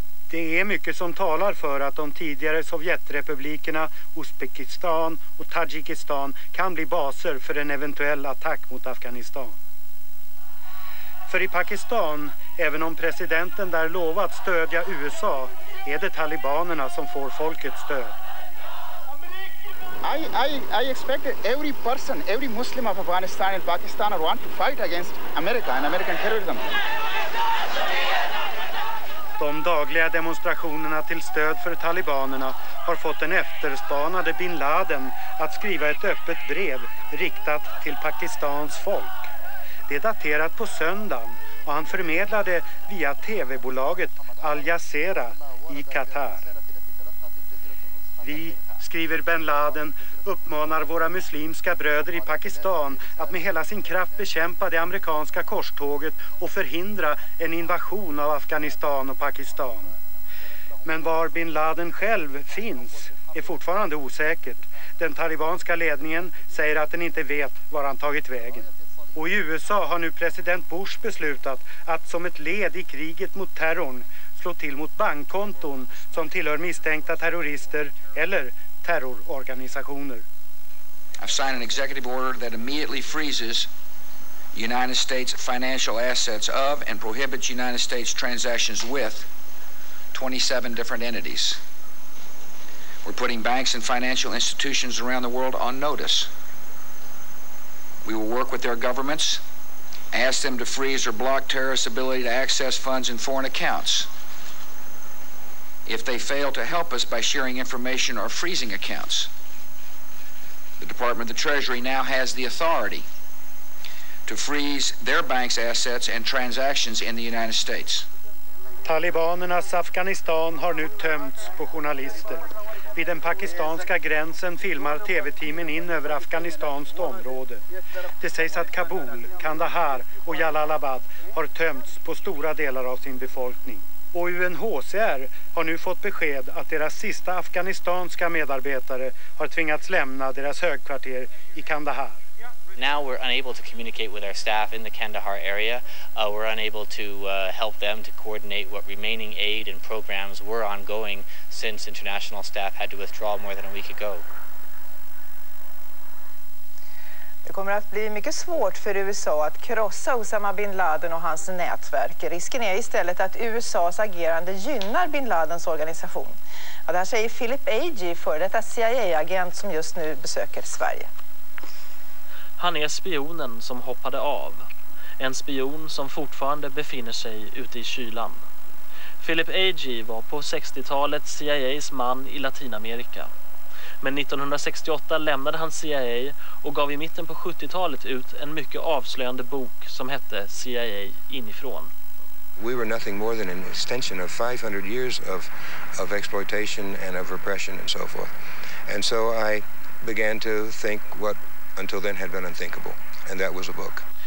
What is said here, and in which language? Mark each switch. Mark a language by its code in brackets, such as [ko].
[sv] Det är mycket som talar för att de tidigare sovjetrepublikerna Uzbekistan och Tadzjikistan kan bli baser för en eventuell attack mot Afghanistan. För i Pakistan, även om presidenten där lovat stödja USA, är det talibanerna som får folkets stöd. [en] I expect every person, every Muslim of Afghanistan and Pakistan are want to fight against America and American terrorism. [sv] De dagliga demonstrationerna till stöd för talibanerna har fått den efterspanade bin Laden att skriva ett öppet brev riktat till Pakistans folk. Det är daterat på söndagen och han förmedlade via tv-bolaget Al Jazeera i Qatar. Vi, skriver bin Laden, uppmanar våra muslimska bröder i Pakistan att med hela sin kraft bekämpa det amerikanska korståget och förhindra en invasion av Afghanistan och Pakistan. Men var bin Laden själv finns är fortfarande osäkert. Den talibanska ledningen säger att den inte vet var han tagit vägen. Och i USA har nu president Bush beslutat att som ett led i kriget mot terrorn slå till mot bankkonton som tillhör misstänkta terrorister eller terrororganisationer. [en] I've signed an executive order that immediately freezes United States financial assets of and prohibits United States transactions with 27 different entities. We're putting banks and financial institutions around the world on notice. We will work with their governments, ask them to freeze or block terrorists' ability to access funds in foreign accounts. If they fail to help us by sharing information or freezing accounts, the Department of the Treasury now has the authority to freeze their banks' assets and transactions in the United States. [sv] Talibanernas Afghanistan har nu tömts på journalister. Vid den pakistanska gränsen filmar tv-teamen in över Afghanistans område. Det sägs att Kabul, Kandahar och Jalalabad har tömts på stora delar av sin befolkning. Och UNHCR har nu fått besked att deras sista afghanistanska medarbetare har tvingats lämna deras högkvarter i Kandahar. [en] Now we're unable to communicate with our staff in the Kandahar area. We're unable to help them to coordinate what remaining aid and programs were ongoing since international staff had to withdraw more than a week ago. [sv] Det kommer att bli mycket svårt för USA att krossa Osama bin Laden och hans nätverk. Risken är istället att USAs agerande gynnar bin Ladens organisation. Ja, det här säger Philip Agee, för detta CIA-agent som just nu besöker Sverige. Han är spionen som hoppade av. En spion som fortfarande befinner sig ute i kylan. Philip Agee var på 60-talet CIAs man i Latinamerika. Men 1968 lämnade han CIA och gav i mitten på 70-talet ut en mycket avslöjande bok som hette CIA inifrån. [en] We were nothing more than an extension of 500 years of exploitation and of repression and so forth. And so I began to think what until then had been unthinkable, and that was a book.